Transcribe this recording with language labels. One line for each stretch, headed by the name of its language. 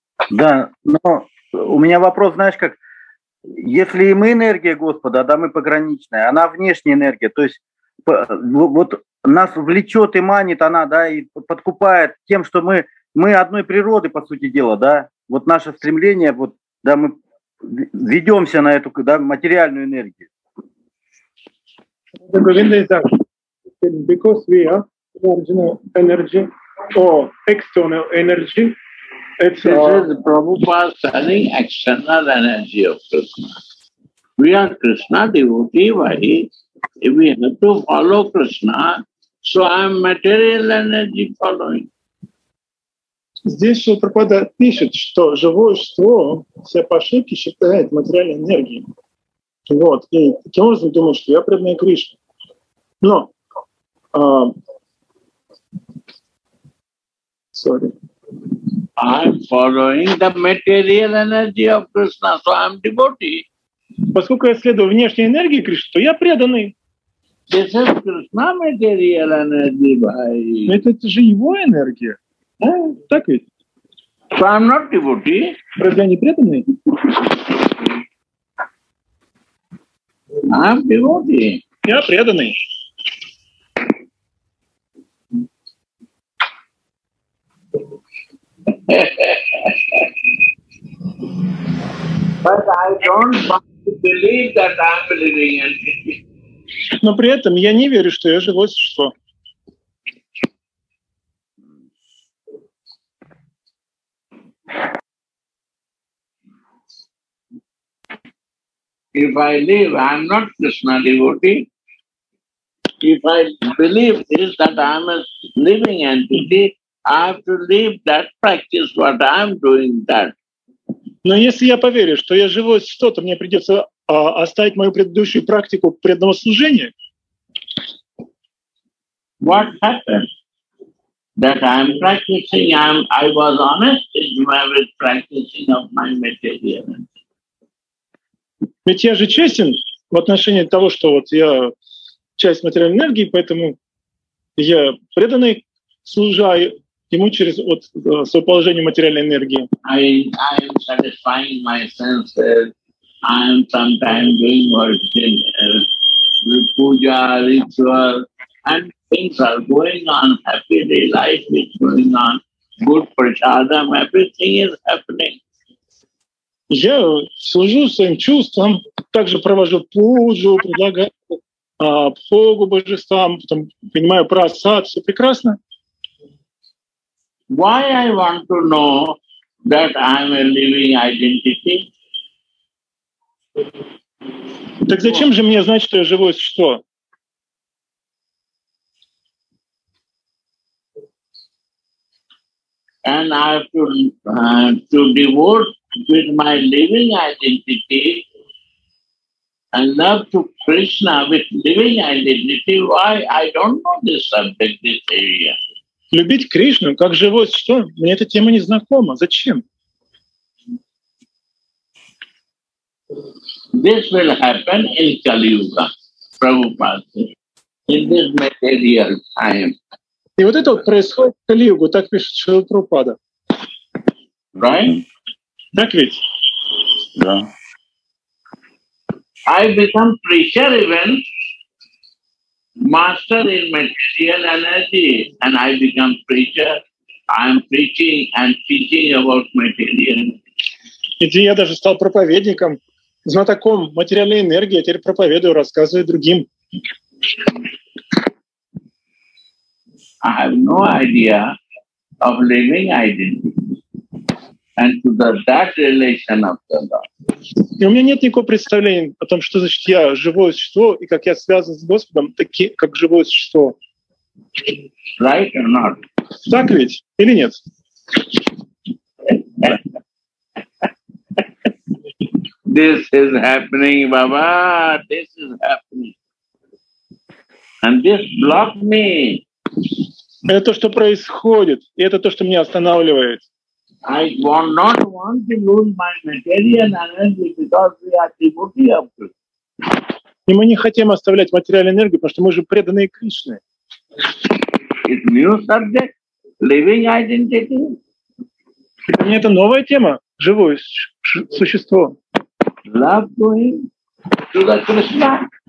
Russian: Да, но у меня вопрос, знаешь, как, если и мы энергия Господа, да, мы пограничная, она внешняя энергия, то есть вот нас влечет и манит она, да, и подкупает тем, что мы одной природы, по сути дела, да, вот наше стремление, вот, да, мы ведемся на эту, да, материальную энергию.
English: The Govinda is asking, because we are original energy or external energy, it's this is Prabhupada telling external energy of Krishna. We are Krishna devotee, why? If we have to follow Krishna, so I am material energy following.
Russian: Здесь Шрила Прабхупада пишет, что живое существо все по ошибке считает материальной энергией. Вот. И таким образом думает, что я преданный Кришне. Но...
English: I'm following the material energy of Krishna, so I'm devotee.
Russian: Поскольку я следую внешней энергии Кришны, то я преданный.
English: This is Krishna material energy, but...
Russian: Это же его энергия. Yeah. Так ведь?
English: So I'm not devotee.
Russian: Разве я не преданный?
English: I'm devotee.
Russian: Я преданный.
English: But I don't want to believe that I'm living in.
Russian: Но при этом я не верю, что я живое существо.
English: If I live, I'm not Krishna devotee. If I believe this, that I'm a living entity, I have to leave that practice what I'm doing that.
Russian: Но если я поверю, что я живое существо, то мне придется оставить мою предыдущую практику преданного служения.
English: What happened? That I'm practicing, I was honest with practicing of my material.
Russian: Ведь я же честен в отношении того, что вот я часть материальной энергии, поэтому я преданный, служаю ему через вот свое положение материальной энергии.
English: I'm satisfying my senses. I'm sometimes doing work in puja, ritual, and things are going on, happy day life is going on, good prasadam, everything is happening.
Russian: Я служу своим чувствам, также провожу пуджу, предлагаю богу божествам, потом принимаю прасад, все прекрасно.
English: Why I want to know that I'm a living identity?
Russian: Так зачем же мне знать, что я живое существо?
English: And I have to devote with my living identity and love to Krishna with living identity, why I don't know this subject, this area.
Russian: Любить Кришну как живое существо, мне эта тема не знакома. Зачем?
English: This will happen in Kali Yuga, Prabhupada, in this material time.
Russian: И вот это вот происходит в Кали Югу, так пишет Шрила Прабхупада.
English: Right?
Russian: Так ведь? Да.
English: I become preacher even, master in material energy, and I become preacher. I'm preaching about material.
Russian: Иди, я даже стал проповедником, знатоком материальной энергии, я теперь проповедую, рассказываю другим.
English: I have no idea of living identity and to the that relation of the Lord.
Russian: И у меня нет никакого представления о том, что значит я живое существо и как я связан с Господом, такие как живое существо.
English: Right or not?
Russian: Так ведь или нет?
English: This is happening, Baba. This is happening. And this blocked me.
Russian: Это то, что происходит, и это то, что меня останавливает.
English: I want not want to lose my material energy because we are devotees of Krishna.
Russian: И мы не хотим оставлять материальную энергию, потому что мы же преданные Кришне.
English: It's new subject, living identity.
Russian: Мне это новая тема, живое существо.
English: Love going to the Krishna.